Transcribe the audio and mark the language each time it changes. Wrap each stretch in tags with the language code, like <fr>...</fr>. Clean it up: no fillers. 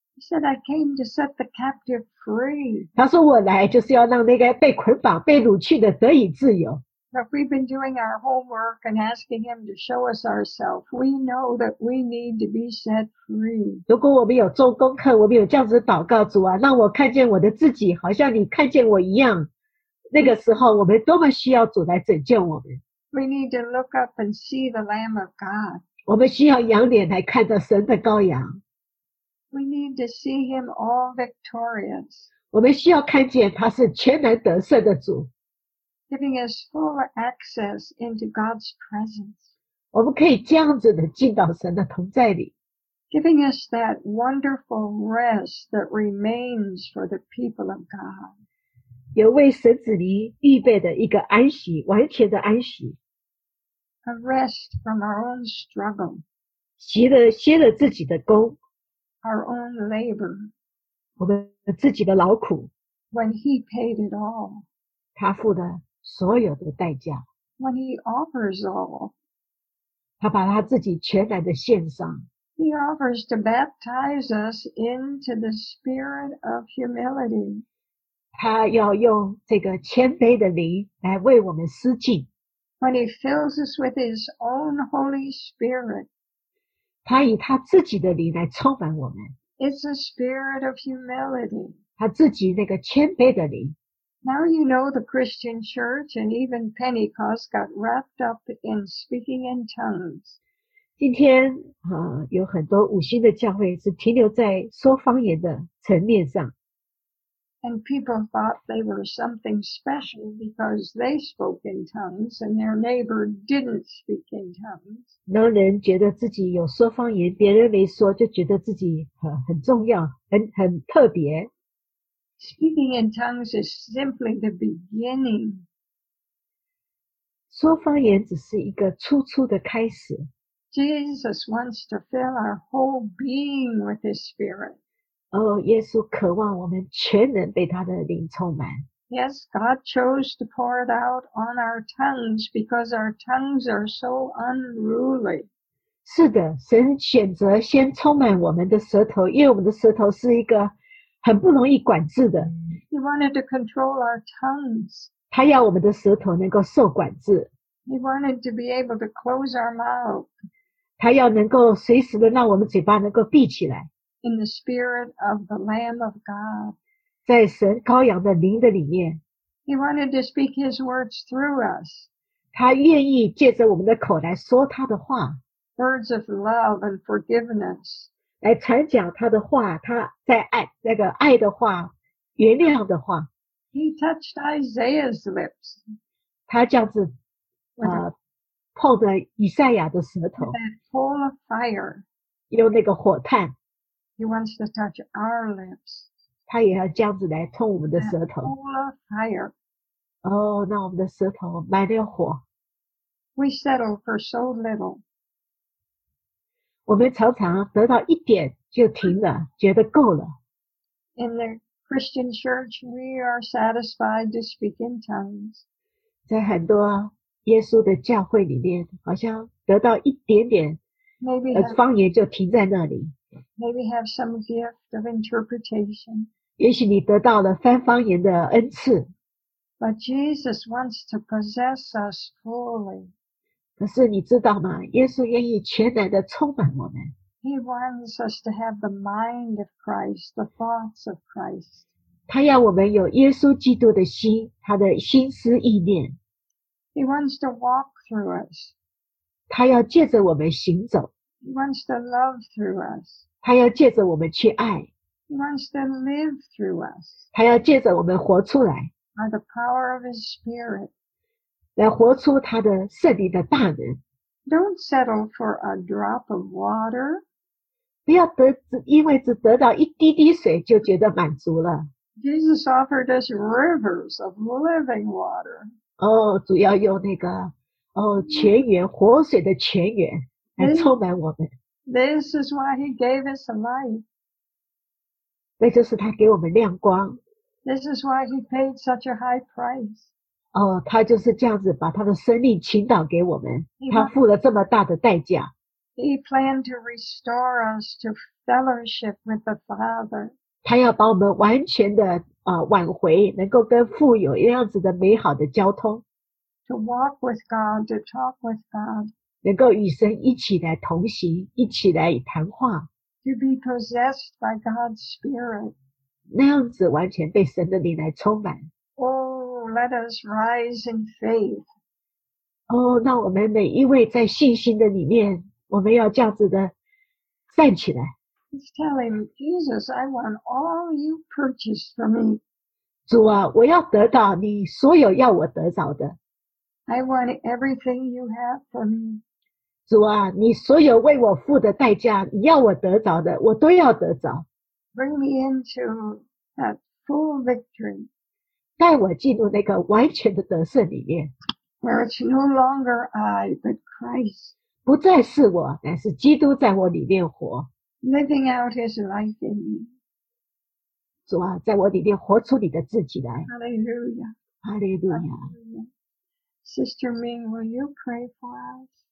<en>He said, I came to set the captive free.</en> <zh>他说我来就是要让那个被捆绑被掳去的得以自由。</zh> <en>But we've been doing our homework and asking him to show us ourselves. We know that we need to be set free.</en> <zh>如果我们有做功课，我们有这样子祷告主啊，让我看见我的自己，好像你看见我一样。那个时候，我们多么需要主来拯救我们。</zh> <en>We need to look up and see the Lamb of God.</en> <zh>我们需要仰脸来看着神的羔羊。</zh> <en>We need to see him all victorious.</en> <zh>我们需要看见他是全能得胜的主。</zh> <en>giving us full access into God's presence.</en> <zh>我们可以这样子的进到神的同在里。</zh> <en>Giving us that wonderful rest that remains for the people of God.</en> <zh>有为神子民预备的一个安息，完全的安息。</zh> <en>A rest from our own struggle.</en> <zh>歇了自己的功。</zh> <en>Our own labor.</en> <zh>我们自己的劳苦。</zh> <en>When he paid it all.</en> <zh>他付的所有的代价。</zh> <en>When he offers all.</en> <zh>他把他自己全然的献上。</zh> <en>He offers to baptize us into the spirit of humility.</en> <zh>他要用这个谦卑的灵来为我们施浸。</zh> <en>When he fills us with his own Holy Spirit.</en> <zh>他以他自己的灵来充满我们。</zh> <en>It's a spirit of humility.</en> <zh>他自己那个谦卑的灵。</zh> <en>Now you know the Christian church and even Pentecost got wrapped up in speaking in tongues.</en> <zh>今天有很多五旬的教会是停留在说方言的层面上。</zh> <en>And people thought they were something special because they spoke in tongues and their neighbor didn't speak in tongues.</en> <zh>那人觉得自己有说方言，别人没说，就觉得自己很重要，很特别。</zh> <en>Speaking in tongues is simply the beginning.</en> <zh>说方言只是一个初初的开始。</zh> <en>Jesus wants to fill our whole being with his spirit.</en> <zh>Oh, 耶稣渴望我们全人被他的灵充满。</zh> <en>Yes, God chose to pour it out on our tongues because our tongues are so unruly.</en> <zh>是的，神选择先充满我们的舌头，因为我们的舌头是一个很不容易管制的。</zh> <en>He wanted to control our tongues.</en> <zh>他要我们的舌头能够受管制。</zh> <en>He wanted to be able to close our mouth.</en> <zh>他要能够随时的让我们嘴巴能够闭起来。</zh> <en>In the spirit of the Lamb of God.</en> <zh>在神羔羊的灵的里面。</zh> <en>He wanted to speak his words through us.</en> <zh>他愿意借着我们的口来说他的话。</zh> <en>Words of love and forgiveness.</en> <zh>来传讲他的话，他在爱，那个爱的话，原谅的话。</zh> <en>He touched Isaiah's lips.</en> <zh>他这样子碰着以赛亚的舌头</zh> <en>full of fire,</en> <zh>有那个火炭</zh> <en>He wants to touch our lips,</en> <zh>他也要这样子来碰我们的舌头</zh> <en>full of fire,</en> <zh>哦，那我们的舌头满了火</zh> <en>We settle for so little</en> <zh>我们常常得到一点就停了觉得够了</zh> <en>In the Christian church we are satisfied to speak in tongues</en> <zh>在很多耶稣的教会里面好像得到一点点方言就停在那里</zh> <en>maybe have some gift of interpretation</en> <zh>也许你得到了翻方言的恩赐</zh> <en>but Jesus wants to possess us fully</en> <zh>可是你知道吗耶稣愿意全然的充满我们</zh> <en>He wants us to have the mind of Christ the thoughts of Christ</en> <zh>他要我们有耶稣基督的心他的心思意念</zh> <en>He wants to walk through us.</en> <zh>他要借着我们行走。</zh> <en>He wants to love through us.</en> <zh>他要借着我们去爱。</zh> <en>He wants to live through us.</en> <zh>他要借着我们活出来。</zh> <en>By the power of his spirit.</en> <zh>来活出他的圣灵的大能。</zh> <en>Don't settle for a drop of water.</en> <zh>不要因为只得到一滴滴水就觉得满足了。</zh> <en>Jesus offered us rivers of living water.</en> <zh>哦，主要用那个哦泉源活水的泉源来充满我们。</zh> <en>This is why he gave us light.</en> <zh>那就是他给我们亮光。</zh> <en>This is why he paid such a high price.</en> <zh>哦，他就是这样子把他的生命倾倒给我们，他付了这么大的代价。</zh> <en>He planned to restore us to fellowship with the Father.</en> <zh>他要把我们完全的挽回能够跟父有一样子的美好的交通</zh> <en>to walk with God, to talk with God</en> <zh>能够与神一起来同行一起来谈话</zh> <en>to be possessed by God's Spirit</en> <zh>那样子完全被神的灵来充满</zh> <en>Oh, let us rise in faith</en> <zh>哦，那我们每一位在信心的里面我们要这样子的站起来</zh> <en>He's telling Jesus, I want all you purchased for me.</en> <zh>主啊，我要得到你所有要我得到的。</zh> <en>I want everything you have for me.</en> <zh>主啊，你所有为我付的代价，你要我得着的，我都要得着。</zh> <en>Bring me into that full victory.</en> <zh>带我进入那个完全的得胜里面。</zh> <en>Where it's no longer I, but Christ.</en> <zh>不再是我，乃是基督在我里面活。</zh> <en>Living out his life in me.</en> <zh>主啊，在我里面活出你的自己来。</zh> <en>Hallelujah. Hallelujah. Sister Ming, will you pray for us?</en>